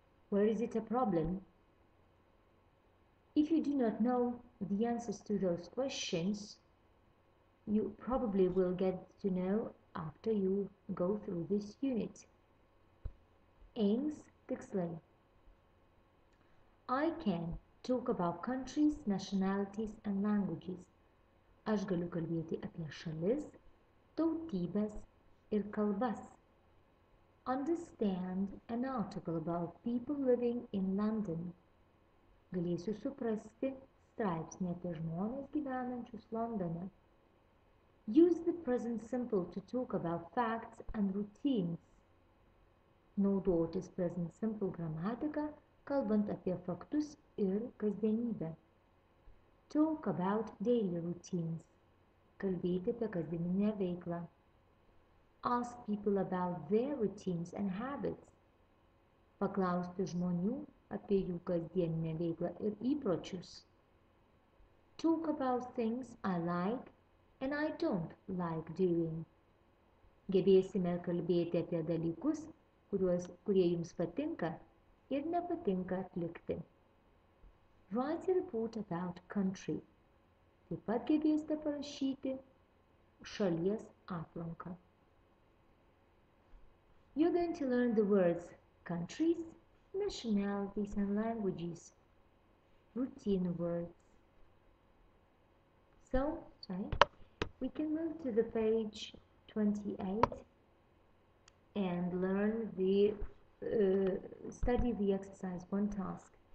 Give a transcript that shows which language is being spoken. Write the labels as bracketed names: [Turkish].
[English] Where is it a problem? If you do not know the answers to those questions, you probably will get to know after you go through this unit. Aims, tikslai. I can talk about countries, nationalities and languages. [Lithuanian] Aš galiu kalbėti apie šalis, tautybes ir kalbas. [English] Understand an article about people living in London. [Lithuanian] Galėsiu suprasti straipsnį apie žmonės gyvenančius Londone. [English] Use the present simple to talk about facts and routines. [Lithuanian] Naudotis present simple gramatika, kalbant apie faktus ir kasdienybę. [English] Talk about daily routines. [Lithuanian] Kalbėti apie kasdieninę veiklą. [English] Ask people about their routines and habits. [Lithuanian] Paklausti žmonių apie jų kasdieninę veiklą ir įpročius. [English] Talk about things I like and I don't like doing. [Lithuanian] Gebėsime kalbėti apie dalykus, kurie jums patinka ir nepatinka atlikti. [English] Write a report about country. [Lithuanian] Taip pat gebėsite parašyti šalies aplanką. [English] You're going to learn the words countries, nationalities and languages, routine words. So, sorry, we can move to the page 28 and learn the study the exercise one task.